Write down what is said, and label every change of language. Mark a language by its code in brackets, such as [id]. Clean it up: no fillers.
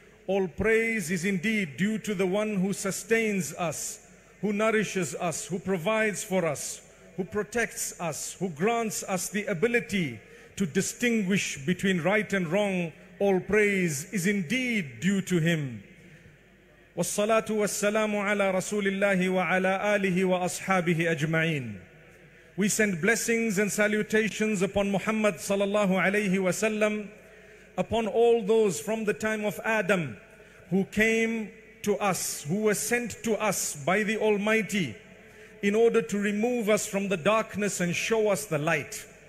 [en] All praise is indeed due to the one who sustains us, who nourishes us, who provides for us, who protects us, who grants us the ability to distinguish between right and wrong. All praise is indeed due to him. [ar] والصلاة والسلام على رسول الله وعلى آله وأصحابه أجمعين. [en] We send blessings and salutations upon Muhammad sallallahu alayhi wa sallam, upon all those from the time of Adam who came to us, who were sent to us by the Almighty in order to remove us from the darkness and show us the light.